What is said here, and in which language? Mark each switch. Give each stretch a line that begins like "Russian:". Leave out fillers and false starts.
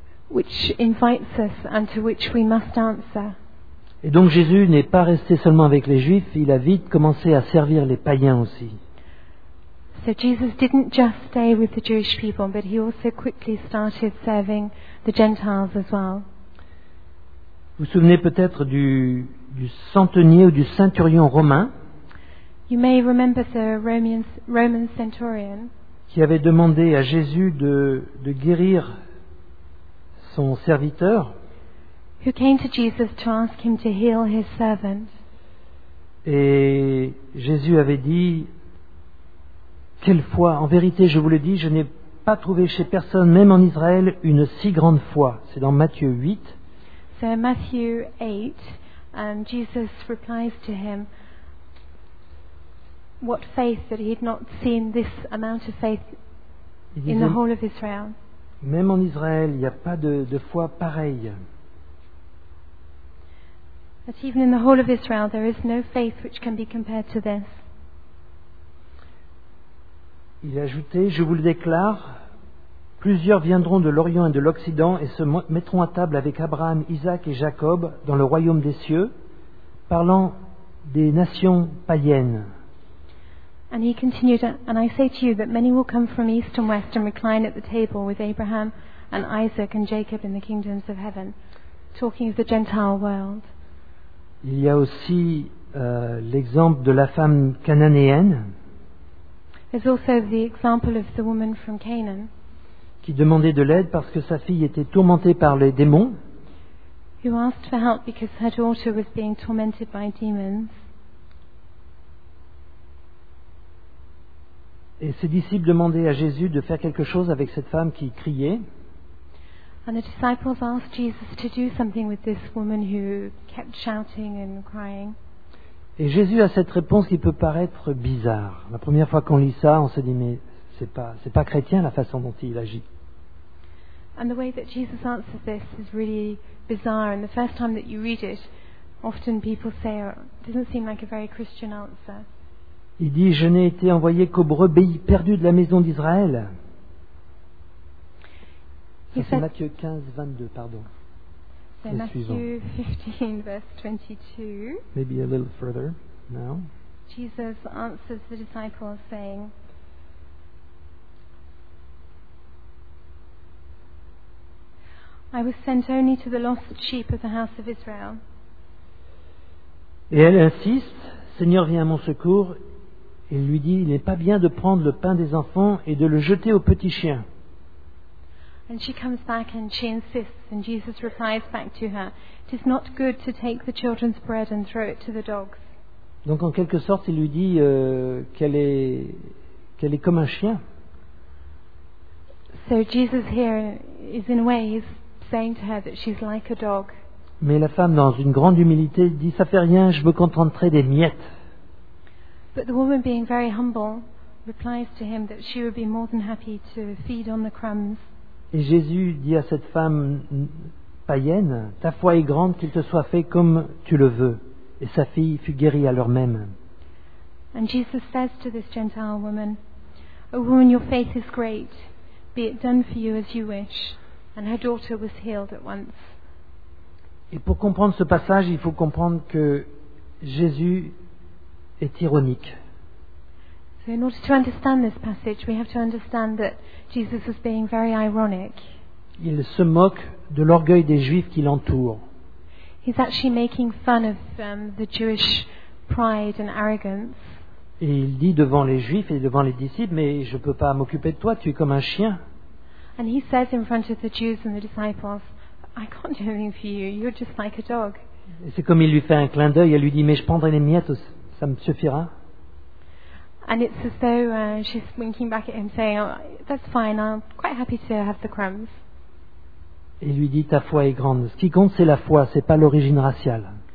English: Which invites us and to which we must answer.
French: Et donc Jésus n'est pas resté seulement avec les Juifs, il a vite commencé à servir les païens aussi.
English: So Jesus didn't just stay with the Jewish people, but he also quickly started serving the Gentiles as well.
French: Vous vous souvenez peut-être du centenier ou du centurion romain?
English: You may remember the Roman centurion
French: qui avait demandé à Jésus de guérir son serviteur.
English: Who came to Jesus to ask him to heal his servant.
French: Et Jésus avait dit, quelle foi, en vérité je vous le dis, je n'ai pas trouvé chez personne, même en Israël, une si grande foi. C'est dans Matthieu 8.
English: So in Matthew 8, Jesus replies to him, what faith, that he had not seen this amount of faith in the whole of Israel.
French: Même en Israël, il n'y a pas de foi pareille.
English: That even in the whole of Israel, there is no faith which can be compared to this.
French: Il ajoutait, je vous le déclare, plusieurs viendront de l'Orient et de l'Occident et se mettront à table avec Abraham, Isaac et Jacob dans le royaume des cieux, parlant des nations païennes.
English: And he continued, and I say to you that many will come from east and west and recline at the table with Abraham and Isaac and Jacob in the kingdoms of heaven, talking of the Gentile world.
French: Il y a aussi l'exemple de la femme cananéenne.
English: There's also the example of the woman from Canaan
French: qui demandait de l'aide parce que sa fille était tourmentée par les démons.
English: Who asked for help because her daughter was being tormented by demons.
French: Et ses disciples demandaient à Jésus de faire quelque chose avec cette femme qui criait.
English: And the disciples asked Jesus to do something with this woman who kept shouting and crying.
French: Et Jésus a cette réponse qui peut paraître bizarre. La première fois qu'on lit ça, on se dit mais c'est pas chrétien la façon dont il agit.
English: And the way that Jesus answers this is really bizarre. And the first time that you read it, often people say it doesn't seem like a very Christian answer.
French: Il dit, je n'ai été envoyé qu'aux brebis perdues de la maison d'Israël. Ça, c'est Matthieu 15, 22, pardon. C'est Matthieu 15, verse 22.
English: Maybe a little further now. Jesus answers the disciples saying, I was sent only to the lost sheep of the house of Israel.
French: Et elle insiste, Seigneur, viens à mon secours. Et il lui dit, il n'est pas bien de prendre le pain des enfants et de le jeter aux petits chiens.
English: And she comes back and she insists, and Jesus replies back to her, it is not good to take the children's bread and throw it to the dogs.
French: Donc en quelque sorte, il lui dit qu'elle est comme un chien.
English: So Jesus here is in a way he's saying to her that she's like a dog.
French: Mais la femme, dans une grande humilité, dit, ça fait rien, je me contenterai des miettes.
English: But the woman, being very humble, replies to him that she would be more than happy to feed on the crumbs.
French: Et Jésus dit à cette femme païenne, ta foi est grande, qu'il te soit fait comme tu le veux. Et sa fille fut guérie à l'heure même.
English: And Jesus says to this Gentile woman, O woman, your faith is great. Be it done for you as you wish. And her daughter was healed at once.
French: Et pour comprendre ce passage, il faut comprendre que Jésus est ironique.
English: So in order to understand this passage, we have to understand that Jesus is being very ironic.
French: Il se moque de l'orgueil des Juifs qui l'entourent.
English: He's actually making fun of the Jewish pride and arrogance.
French: Et il dit devant les Juifs et devant les disciples, mais je ne peux pas m'occuper de toi, tu es comme un chien.
English: And he says in front of the Jews and the disciples, I can't do anything for you, you're just like a dog.
French: Et c'est comme il lui fait un clin d'œil, elle lui dit, mais je prendrai les miettes, ça me suffira.
English: And it's as though she's winking back at him, saying, oh, that's fine, I'm quite happy to have the crumbs.
French: Et lui dit, ta foi est grande. Ce qui compte, c'est la foi, c'est pas l'origine raciale.